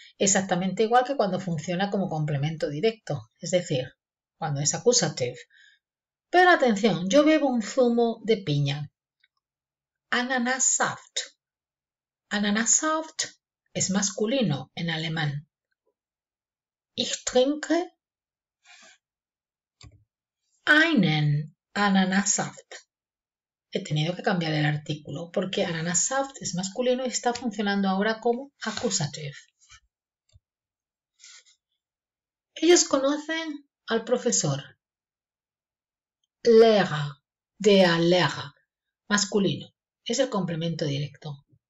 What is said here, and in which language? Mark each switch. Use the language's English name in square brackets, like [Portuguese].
[Spanish] Exactamente igual que cuando funciona como complemento directo, es decir, cuando es acusativo. Pero atención, yo bebo un zumo de piña. Ananassaft. Ananassaft es masculino en alemán. [German] Ich trinke einen Ananassaft. [Spanish] He tenido que cambiar el artículo porque Ananassaft es masculino y está funcionando ahora como acusativo. Ellos conocen al profesor. [German] Lehrer, der Lehrer, [Spanish] masculino, es el complemento directo.